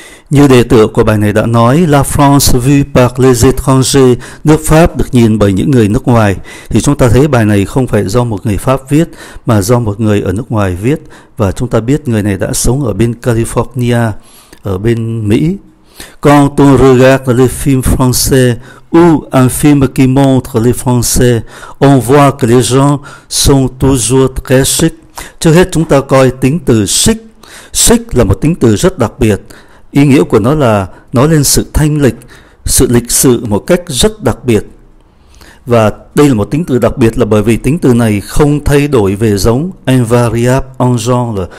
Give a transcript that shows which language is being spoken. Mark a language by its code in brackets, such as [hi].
[vi] Như đề tựa của bài này đã nói, [fr] La France vue par les étrangers, [vi] nước Pháp được nhìn bởi những người nước ngoài. Thì chúng ta thấy bài này không phải do một người Pháp viết, mà do một người ở nước ngoài viết. Và chúng ta biết người này đã sống ở bên California, ở bên Mỹ. [fr] Quand on regarde les films français ou un film qui montre les Français, on voit que les gens sont toujours très chic. [vi] Trước hết chúng ta coi tính từ chic. Chic là một tính từ rất đặc biệt. Ý nghĩa của nó là nói lên sự thanh lịch, sự lịch sự một cách rất đặc biệt. Và đây là một tính từ đặc biệt là bởi vì tính từ này không thay đổi về giống, [fr] invariable en genre.